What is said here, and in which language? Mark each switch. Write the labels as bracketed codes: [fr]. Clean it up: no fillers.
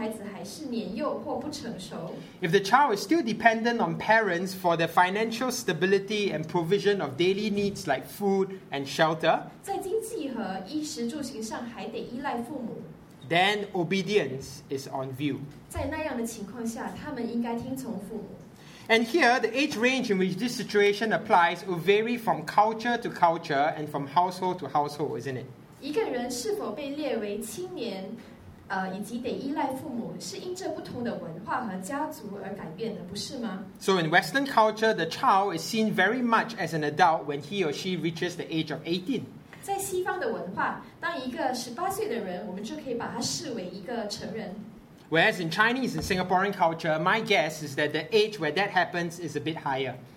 [zh] 所以换句话来说，要是一个孩子还是年幼或不成熟， [en] if the child is still dependent on parents for their financial stability and provision of daily needs like food and shelter, [zh] 在经济和衣食住行上还得依赖父母， [en] then obedience is on view. [zh] 在那样的情况下，他们应该听从父母。 [en] And here, the age range in which this situation applies will vary from culture to culture and from household to household, isn't it? [zh] 一个人是否被列为青年，以及得依赖父母，是因着不同的文化和家族而改变的，不是吗？ [en] So in Western culture, the child is seen very much as an adult when he or she reaches the age of 18. [zh] 在西方的文化，当一个18岁的人，我们就可以把他视为一个成人。 [en] Whereas in Chinese and Singaporean culture, my guess is that the age where that happens is a bit higher.